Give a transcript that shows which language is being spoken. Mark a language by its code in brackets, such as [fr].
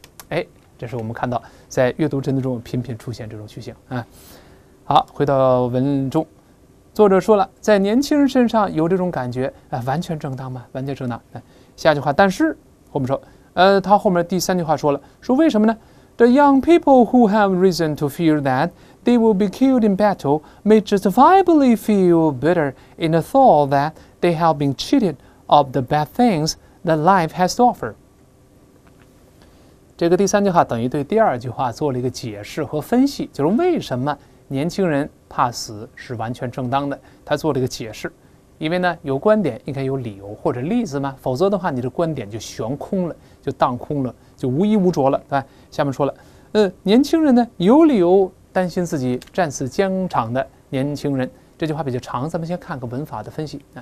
[zh] 哎，这是我们看到在阅读真题中频频出现这种句型。好，回到文中，作者说了，在年轻人身上有这种感觉，完全正当吗？完全正当。下句话，但是后面说，他后面第三句话说了，说为什么呢？ [en] The young people who have reason to fear that they will be killed in battle may justifiably feel bitter in the thought that they have been cheated of the bad things that life has to offer。 [zh] 这个第三句话等于对第二句话做了一个解释和分析，就是为什么年轻人怕死是完全正当的，他做了一个解释。因为呢有观点应该有理由或者例子嘛，否则的话你的观点就悬空了，就荡空了，就无依无着了，对吧？下面说了，年轻人呢有理由担心自己战死疆场的年轻人，这句话比较长，咱们先看个文法的分析。